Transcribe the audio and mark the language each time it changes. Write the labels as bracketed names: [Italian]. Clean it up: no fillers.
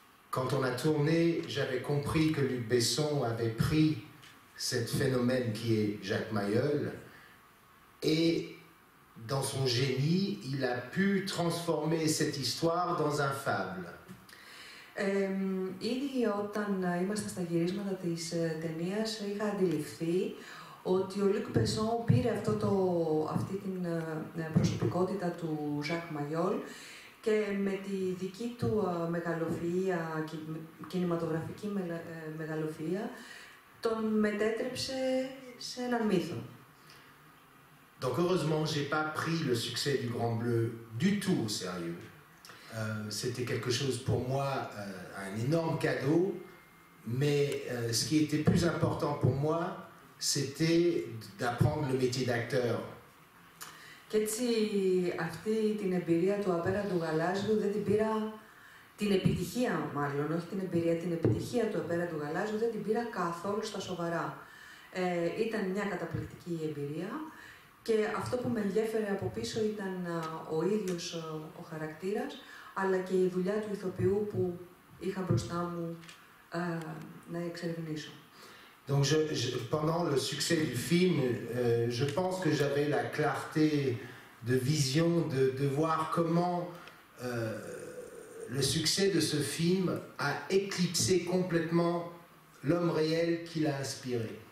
[French] Quand on a tourné, j'avais compris que Luc Besson avait pris cette phénomène qui est Jacques Maillol et dans son génie, il a pu transformer cette histoire dans un fable. [Greek] Ήδη όταν ήμασταν στα γυρίσματα της ταινίας, είχα αντιληφθεί ότι ο Λουκ Μπεσόν πήρε αυτή την προσωπικότητα του Ζακ Μαγιόλ και με τη δική του μεγαλοφυΐα, κινηματογραφική μεγαλοφυΐα, τον μετέτρεψε σε έναν μύθο. [French] Donc heureusement, j'ai pas pris le succès du Grand Bleu du tout au sérieux. C'était quelque chose pour moi, un énorme cadeau, mais ce qui était plus important pour moi, c'était d'apprendre le métier d'acteur. [Greek] Και έτσι αυτή την εμπειρία του απέραντου γαλάζιου δεν την πήρα, την επιτυχία μάλλον, όχι την εμπειρία, την επιτυχία του απέραντου γαλάζιου δεν την πήρα καθόλου στα σοβαρά. Ήταν μια καταπληκτική εμπειρία. Και αυτό που με ενδιέφερε από πίσω ήταν ο ίδιος ο χαρακτήρας, αλλά και η δουλειά του ηθοποιού που είχα μπροστά μου να εξερευνήσω. [French] Donc pendant le succès du film, je pense que j'avais la clarté de vision de voir comment le succès de ce film a éclipsé complètement l'homme réel qui l'a inspiré.